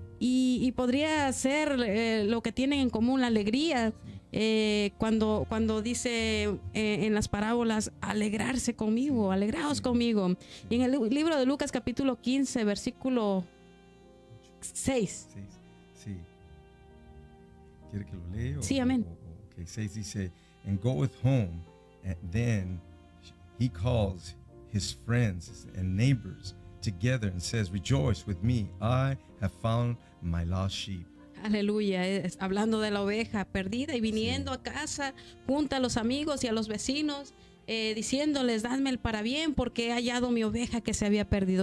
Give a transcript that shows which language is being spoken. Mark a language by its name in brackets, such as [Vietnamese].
[Spanish] Y podría ser lo que tienen en común, la alegría. Sí. Cuando dice en las parábolas, alegrarse conmigo, alegraos sí. conmigo. Sí. Y en el libro de Lucas, capítulo 15, versículo 6. Sí. ¿Quiere que lo lea? Sí, amén. [English] 6 [Spanish] dice: [English] And goeth home, and then he calls his friends and neighbors together and says, Rejoice with me, I have found my lost sheep. [Spanish] Aleluya, es hablando de la oveja perdida y viniendo sí. a casa junto a los amigos y a los vecinos diciéndoles, dadme el para bien porque he hallado mi oveja que se había perdido.